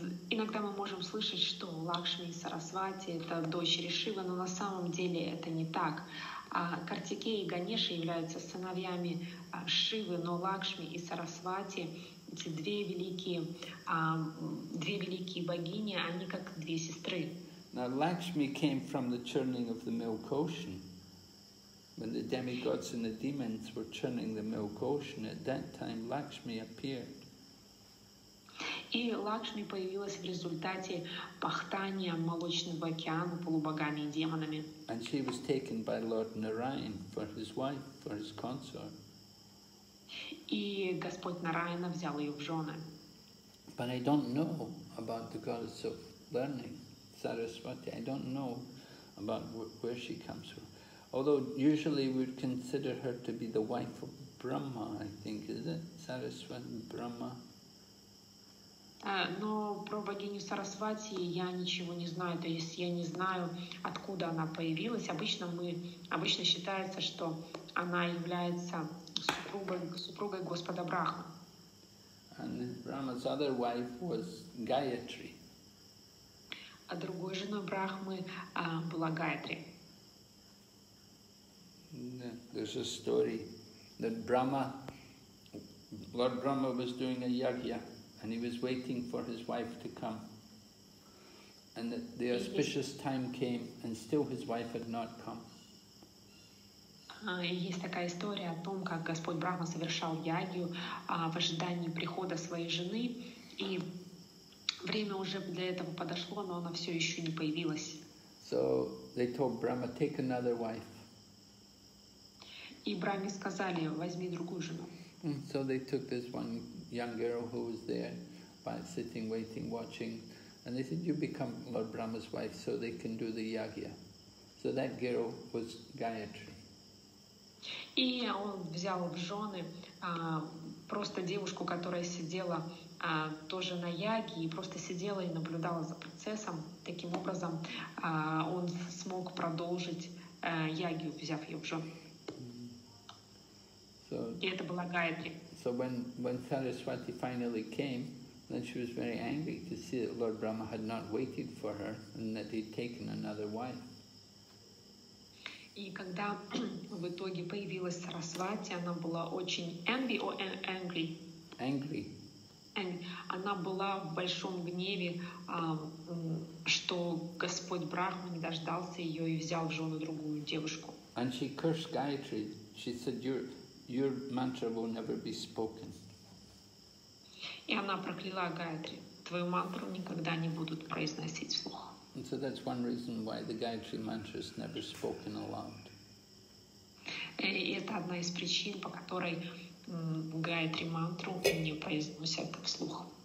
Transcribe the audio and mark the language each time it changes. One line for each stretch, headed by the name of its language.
Russian: Иногда мы можем слышать, что Лакшми и Сарасвати — это дочери Шивы, но на самом деле это не так. Картикея и Ганеша являются сыновьями Шивы, но Лакшми и Сарасвати — эти две великие богини, они как две сестры.
English: Now, Lakshmi came from the churning of the milk ocean. When the demigods and the demons were churning the milk ocean, at that time Lakshmi appeared.
Russian: И Лакшми появилась в результате пахтания молочного океана полубогами и демонами.
English: And she was taken by Lord Narayan for his wife, for his consort.
Russian: И Господь Нараяна взял ее в жены.
English: But I don't know about the goddess of learning, Saraswati. I don't know about where she comes from. Although usually we would consider her to be the wife of Brahma, I think, is it? Saraswati, Brahma.
Russian: Но про богиню Сарасвати я ничего не знаю, то есть я не знаю, откуда она появилась. Обычно считается, что она является супругой Господа Брахмы.
English: And Brahma's other wife was Gayatri.
Russian: А другой женой Брахмы была Гаятри.
English: There's a story that Lord Brahma was doing a yagya. And he was waiting for his wife to come. And the auspicious time came, and still his wife had not come.
Russian: Есть такая история о том, как Господь Брахма совершал ягью в ожидании прихода своей жены, и время уже для этого подошло, но она все еще не появилась.
English: So they told Brahma, take another wife.
Russian: И Брахме сказали, возьми другую жену.
English: So they took this one young girl who was there, by sitting, waiting, watching, and they said, you become Lord Brahma's wife so they can do the yagya. So that girl was Gayatri.
Russian: И он взял в жены просто девушку, которая сидела тоже на яге и просто сидела и наблюдала за процессом. Таким образом, он смог продолжить ягью, взяв ее в жены.
English: So when Saraswati finally came, then she was very angry to see that Lord Brahma had not waited for her and that he'd taken another wife.
Russian: И когда в итоге появилась Сарасвати, она была очень
English: angry or angry? Angry. And
Russian: она была в большом гневе, что Господь Брахма не дождался ее и взял в жены другую девушку.
English: And she cursed Gayatri. She said, Your mantra will never be spoken.
Russian: И она прокляла Гаятри. Твою мантру никогда не будут произносить вслух.
English: And so that's one reason why the Gayatri mantra is never spoken aloud.
Russian: И это одна из причин, по которой Гаятри мантру не произносят вслух.